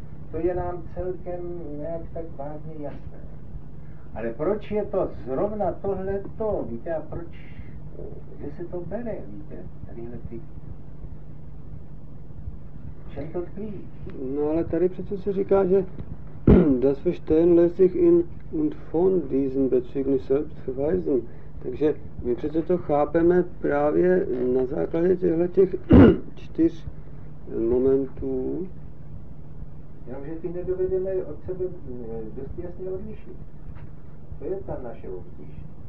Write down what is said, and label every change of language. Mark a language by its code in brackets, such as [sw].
[cs] To je nám celkem nějak tak vážně jasné. Ale proč je to zrovna tohleto, víte, a proč, kde se to bere, víte, tadyhle ty, čem to tkví? No ale tady přece se říká, že [de] das Verstehen lässt sich in und von diesen Bezügen selbst verweisen. [cs] Takže my přece to chápeme právě na základě těch čtyř momentů. Jenom, že ty nedovedeme od sebe dost jasně odlišit. To je ta naše obtíž.